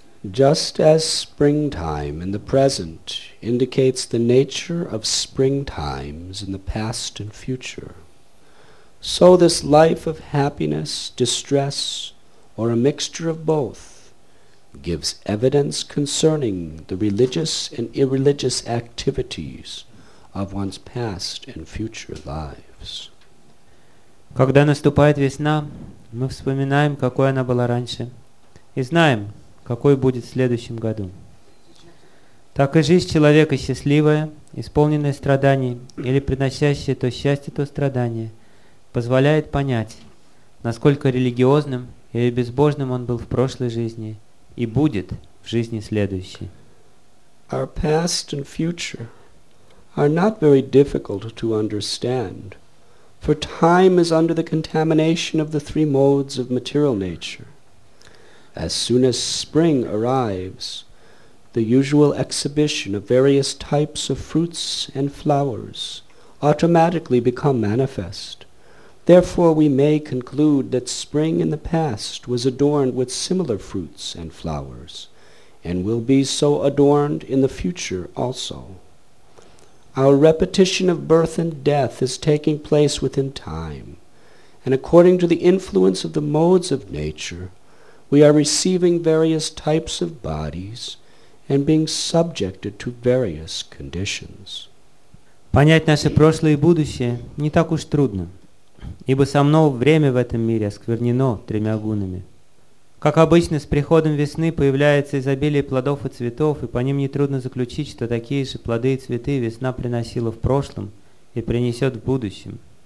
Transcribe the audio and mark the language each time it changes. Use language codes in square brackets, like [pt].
[en] Just as springtime in the present indicates the nature of springtimes in the past and future, so this life of happiness, distress, or a mixture of both gives evidence concerning the religious and irreligious activities of one's past and future lives. [ru] Когда наступает весна, мы вспоминаем, какой она была раньше, и знаем, какой будет в следующем году. Так и жизнь человека счастливая, исполненная страданий или приносящая то счастье, то страдание, позволяет понять, насколько религиозным или безбожным он был в прошлой жизни и будет в жизни следующей. [en] Our past and future are not very difficult to understand, for time is under the contamination of the three modes of material nature. As soon as spring arrives, the usual exhibition of various types of fruits and flowers automatically become manifest. Therefore, we may conclude that spring in the past was adorned with similar fruits and flowers, and will be so adorned in the future also. Our repetition of birth and death is taking place within time, and according to the influence of the modes of nature, we are receiving various types of bodies and being subjected to various conditions. [ru] Понять наше прошлое и будущее не так уж трудно, ибо само время в этом мире осквернено тремя гунами. Как обычно, с приходом весны появляется изобилие плодов и цветов, и по ним нетрудно заключить, что такие же плоды и цветы весна приносила в прошлом и принесет в будущем.